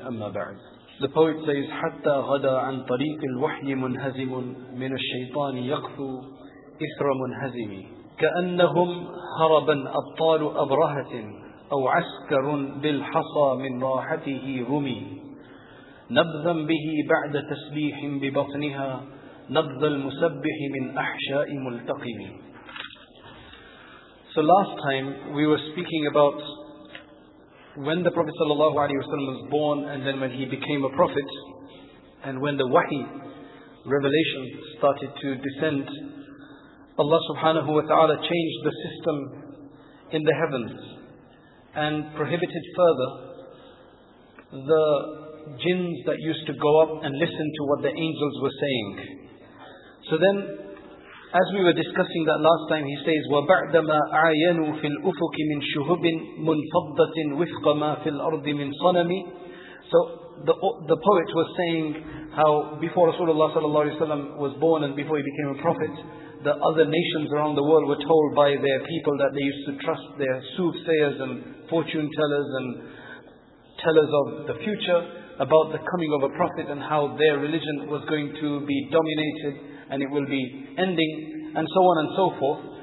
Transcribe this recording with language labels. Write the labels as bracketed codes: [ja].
[ar] أما بعد، [en] The poet says, [ar] حتى غدا عن طريق الوحي منهزم، من الشيطان يقثو إثر منهزم، كأنهم هربا أبطال أبرهة، أو عسكر بالحصى من راحته رمي، نبذا به بعد تسبيح ببطنها، نبذ المسبح من أحشاء ملتقم. [en] So last time we were speaking about when the Prophet sallallahu alaihi wasallam was born, and then when he became a prophet, and when the wahi, revelation, started to descend. Allah subhanahu wa ta'ala changed the system in the heavens and prohibited further the jinns that used to go up and listen to what the angels were saying. So then, as we were discussing that last time, he says, [ar] وَبَعْدَمَا أَعَيَنُوا فِي الْأُفُقِ مِنْ شُهُبٍ مُنْفَضَّةٍ وِفْقَ مَا فِي الْأَرْضِ مِنْ صَنَمِ. [en] So the poet was saying how before Rasulullah sallallahu alayhi wa sallam was born, and before he became a prophet, the other nations around the world were told by their people that they used to trust their soothsayers and fortune tellers and tellers of the future about the coming of a prophet, and how their religion was going to be dominated and it will be ending, and so on and so forth.